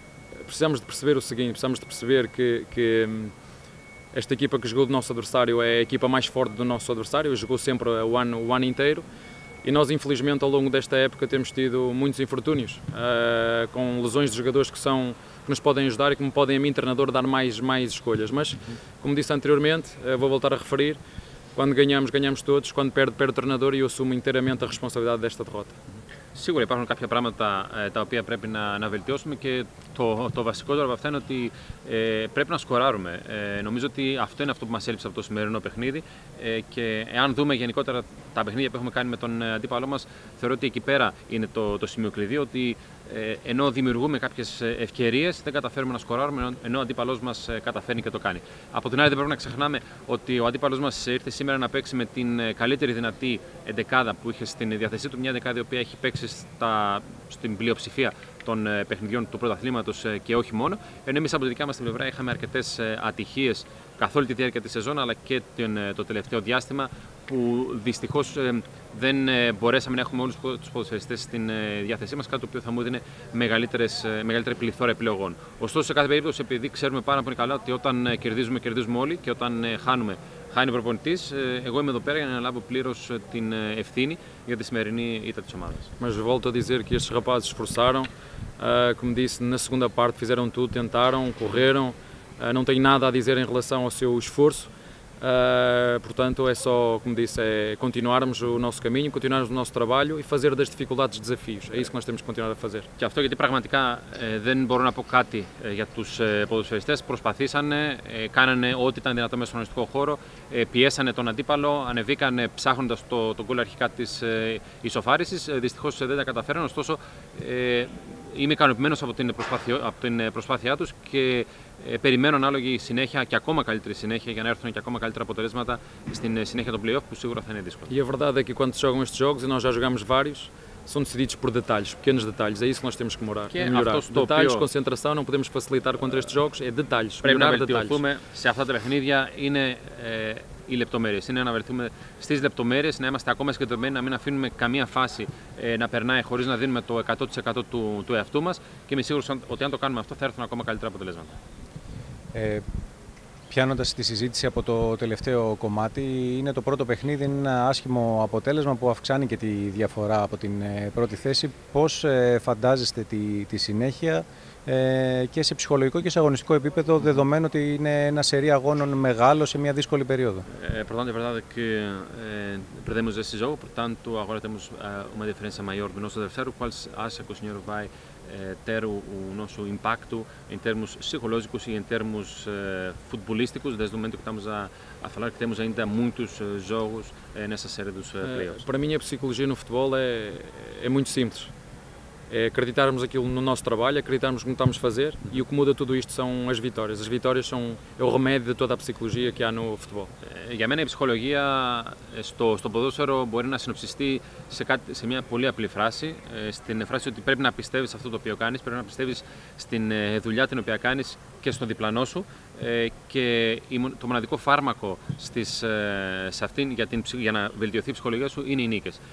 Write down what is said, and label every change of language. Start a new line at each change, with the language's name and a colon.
Portuguese: Agora, precisamos de perceber o seguinte, precisamos de perceber que esta equipa que jogou do nosso adversário é a equipa mais forte do nosso adversário, jogou sempre o ano inteiro, e nós infelizmente ao longo desta época temos tido muitos infortúnios, com lesões de jogadores que nos podem ajudar e que me podem a mim, treinador, dar mais escolhas. Mas, como disse anteriormente, vou voltar a referir, quando ganhamos, ganhamos todos. Quando perde o treinador, e eu assumo inteiramente a responsabilidade desta derrota.
Greek: Σίγουρα υπάρχουν κάποια πράγματα τα οποία πρέπει να βελτιώσουμε και το βασικότερο από αυτά είναι ότι πρέπει να σκοράρουμε. Νομίζω ότι αυτό είναι αυτό που μας έλειψε από το σημερινό παιχνίδι και εάν δούμε γενικότερα τα παιχνίδια που έχουμε κάνει με τον αντίπαλό μας, θεωρώ ότι εκεί πέρα είναι το σημείο κλειδί, ότι ενώ δημιουργούμε κάποιες ευκαιρίες, δεν καταφέρουμε να σκοράρουμε, ενώ ο αντίπαλός μας καταφέρνει και το κάνει. Από την άλλη, δεν πρέπει να ξεχνάμε ότι ο αντίπαλός μας ήρθε σήμερα να παίξει με την καλύτερη δυνατή εντεκάδα που είχε στην διάθεσή του, μια εντεκάδα η οποία έχει παίξει στην πλειοψηφία των παιχνιδιών του πρωταθλήματος και όχι μόνο. Ενώ εμείς από τη δικιά μας την πλευρά είχαμε αρκετές ατυχίες καθ' όλη τη διάρκεια της σεζόν, αλλά και το τελευταίο διάστημα, που δυστυχώς δεν μπορέσαμε να έχουμε όλους τους ποδοσφαιριστές στην διάθεσή μας, κάτι το οποίο θα μου έδινε μεγαλύτερη πληθώρα επιλογών. Ωστόσο, σε κάθε περίπτωση, επειδή ξέρουμε πάρα πολύ καλά ότι όταν κερδίζουμε, κερδίζουμε όλοι, και όταν χάνουμε, χάνει ο προπονητής, εγώ είμαι εδώ πέρα για να αναλάβω πλήρως την ευθύνη για τη σημερινή ήττα της ομάδας.
Portuguese: Mas volto a dizer que estes rapazes esforçaram, como disse, na segunda parte fizeram tudo, tentaram, correram, não tenho nada a dizer em relação ao seu esforço. Portanto, é só, como disse, continuarmos o nosso caminho, continuarmos o nosso trabalho e fazer das dificuldades desafios. É isso que nós temos que continuar a fazer.
Greek: Και αυτό γιατί πραγματικά δεν μπορώ να πω κάτι για τους ποδοσφαιριστές. Προσπαθήσανε, κάνανε ό,τι ήταν δυνατό μέσα στον αγωνιστικό χώρο, πιέσανε τον αντίπαλο, ανεβήκανε ψάχνοντας το γκολ αρχικά της ισοφάρισης. Δυστυχώς δεν τα καταφέραν, ωστόσο είμαι ικανοποιημένος από την προσπάθειά τους και περιμένω ανάλογη συνέχεια και ακόμα καλύτερη συνέχεια για να έρθουν και ακόμα καλύτερα αποτελέσματα στην συνέχεια των play-off, που σίγουρα θα είναι δύσκολο.
Portuguese: E a verdade é que quando jogam estes jogos, e nós já jogamos vários, são decididos por detalhes, pequenos detalhes. É isso que nós temos que melhorar. Que é melhorar.
Greek: Αυτό,
Portuguese: detalhes,
Greek: πιο...
Portuguese: concentração, não podemos facilitar contra estes jogos. É detalhes.
Greek: Πρέπει
Portuguese: melhorar
Greek: να βελτιωθούμε
Portuguese: detalhes.
Greek: Σε αυτά τα παιχνίδια είναι οι λεπτομέρειες. Είναι να βελτιωθούμε στις λεπτομέρειες, να είμαστε ακόμα συγκεντρωμένοι, να μην αφήνουμε καμία φάση να περνάει χωρίς να δίνουμε το 100% του εαυτού μας. Και είμαι σίγουρος ότι αν το κάνουμε αυτό θα έρθουν ακόμα καλύτερα αποτελέσματα. Πιάνοντας τη συζήτηση από το τελευταίο κομμάτι, είναι το πρώτο παιχνίδι, είναι ένα άσχημο αποτέλεσμα που αυξάνει και τη διαφορά από την πρώτη θέση. Πώς φαντάζεστε τη συνέχεια και σε ψυχολογικό και σε αγωνιστικό επίπεδο, δεδομένου ότι είναι ένα σερί αγώνων μεγάλο σε μια δύσκολη περίοδο. Πρώτα απ' όλα,
Portuguese: perdemos este jogo, portanto, agora temos uma diferença maior do nosso adversário. Qual acha que o senhor vai ter o nosso impacto em termos psicológicos e em termos futebolísticos, desde o momento que estamos a falar que temos ainda muitos jogos nessa série dos playoffs? Para mim, a psicologia no futebol é muito simples. É acreditarmos aquilo no nosso trabalho, acreditarmos no que estamos a fazer, e o que muda tudo isto são as vitórias. As vitórias são o remédio de toda a psicologia que há no futebol.
Greek: Για μένα η ψυχολογία στο ποδόσφαιρο μπορεί να συνοψιστεί σε μια πολύ απλή φράση. Στην φράση ότι πρέπει να πιστεύεις σε αυτό το οποίο κάνεις, πρέπει να πιστεύεις στην δουλειά την οποία κάνεις και στον διπλανό σου. Και το μοναδικό φάρμακο σε αυτήν για να βελτιωθεί η ψυχολογία σου είναι οι νίκες.